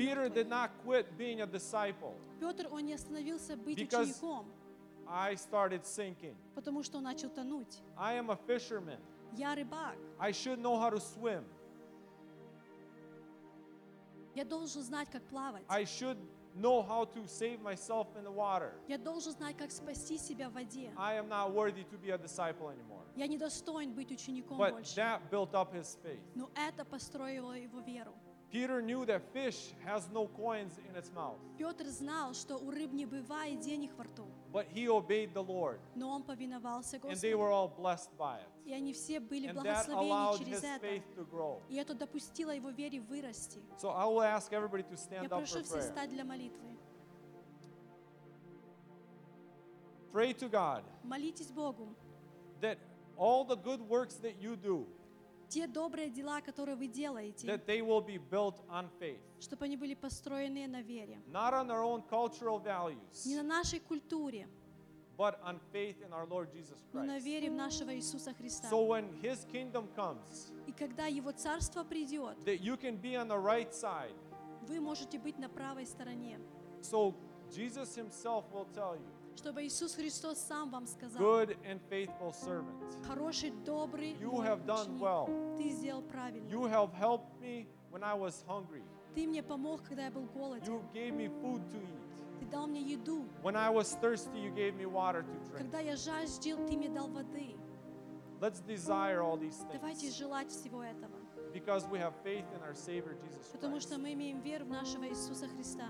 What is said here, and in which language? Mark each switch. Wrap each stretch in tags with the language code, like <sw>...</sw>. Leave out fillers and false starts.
<en>Peter did not quit being a disciple.</en> <ru>Петр, он не остановился быть учеником.</ru> <en>I started sinking.</en> <ru>Потому что он начал тонуть.</ru> <en>I am a fisherman.</en> <ru>Я рыбак.</ru> <en>I should know how to swim.</en> <ru>Я должен знать, как плавать.</ru> <en>I should know how to save myself in the water.</en> <ru>Я должен знать, как спасти себя в воде.</ru> <en>I am not worthy to be a disciple anymore.</en> <ru>Я не достоин быть учеником</ru> <en>but</en> <ru>больше.</ru> <en>That built up his faith.</en> <ru>Но это построило его веру.</ru> <en>Peter knew that fish has no coins in its mouth.</en> <ru>Петр знал, что у рыб не бывает денег во рту.</ru> <en>But he obeyed the Lord.</en> <ru>Но он повиновался Господу.</ru> <en>And they were all blessed by it.</en> <ru>И они все были благословлены через это.</ru> <en>And that allowed his faith to grow.</en> <ru>И это допустило его вере вырасти.</ru> <en>So I will ask everybody to stand up for prayer.</en> <ru>Я прошу всех встать для молитвы.</ru> <en>Pray to God.</en> <ru>Молитесь Богу.</ru> <en>That all the good works that you do.</en> <ru>Те добрые дела, которые вы делаете,</ru> <en>that they will be built on faith.</en> <ru>Чтобы они были построены на вере.</ru> <en>Not on our own cultural values,</en> <ru>не на нашей культуре,</ru> <en>but on faith in our Lord Jesus Christ.</en> <ru>Но на вере в нашего Иисуса Христа.</ru> <en>So when His kingdom comes,</en> <ru>и когда Его царство придет,</ru> <en>that you can be on the right side,</en> <ru>вы можете быть на правой стороне.</ru> <en>So Jesus Himself will tell you,</en> <ru>чтобы Иисус Христос сам вам сказал,</ru> <en>good and faithful servant,</en> <ru>хороший, добрый,</ru> <en>you have done well.</en> <ru>Ты сделал правильно.</ru> <en>You have helped me when I was hungry.</en> <ru>Ты мне помог, когда я был голоден.</ru> <en>You gave me food to eat.</en> <ru>Ты дал мне еду.</ru> <en>When I was thirsty, you gave me water to drink.</en> <ru>Когда я жаждал, ты мне дал воды.</ru> <en>Let's desire all these things.</en> <ru>Давайте желать всего этого.</ru> <en>Because we have faith in our Savior Jesus Christ.</en> <ru>Потому что мы имеем веру в нашего Иисуса Христа.</ru>